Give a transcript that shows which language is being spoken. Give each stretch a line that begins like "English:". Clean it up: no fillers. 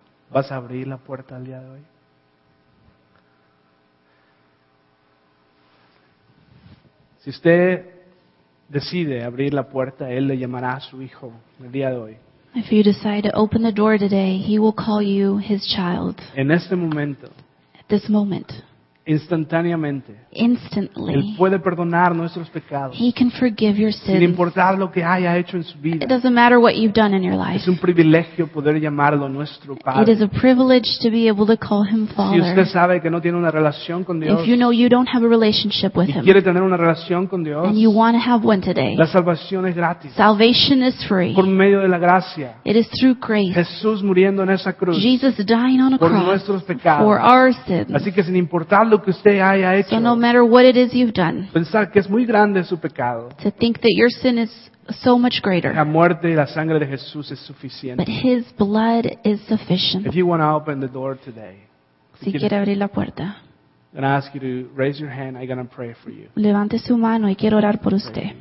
Spanish: ¿Vas a abrir la puerta el día de hoy? Si usted decide abrir la puerta, Él le llamará a su hijo el día de hoy.
English: If you decide to open the door today, He will call you His child.
Spanish: En este momento.
English: At this moment.
Spanish: Instantáneamente.
English: Instantly.
Spanish: Él puede perdonar nuestros pecados.
English: He can forgive your sins.
Spanish: Sin importar lo que haya hecho en su vida.
English: It doesn't matter what you've done in your life.
Spanish: Es un privilegio poder llamarlo nuestro padre.
English: It is a privilege to be able to call Him Father.
Spanish: Si usted sabe que no tiene una relación con Dios.
English: If you know you don't have a relationship with Him.
Spanish: Y quiere tener una relación con Dios.
English: And you want to have one today.
Spanish: La salvación es gratis.
English: Salvation is free.
Spanish: Por medio de la gracia.
English: It is through grace.
Spanish: Jesús muriendo en esa cruz.
English: Jesus dying on a cross.
Spanish: Por nuestros pecados.
English: For our sins.
Spanish: Así que sin importar lo malo que usted haya hecho,
English: so no matter what it is you've done,
Spanish: pensar que es muy grande su pecado,
English: to think that your sin is so much greater.
Spanish: La muerte y la sangre de Jesús es suficiente.
English: But His blood is sufficient. If you want to open the door today,
Spanish: si quiere abrir la puerta,
English: I'm going to ask you to raise your hand. I'm going to pray for you.
Spanish: Levante su mano y quiero orar por usted.